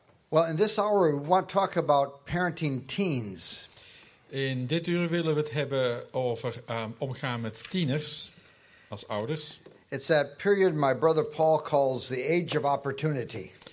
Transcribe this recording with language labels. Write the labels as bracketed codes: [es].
[en] Well, in this hour we want to talk about parenting teens. [nl] In dit uur willen we het hebben over omgaan met tieners als ouders. [en] It's that period my brother Paul calls the age of opportunity.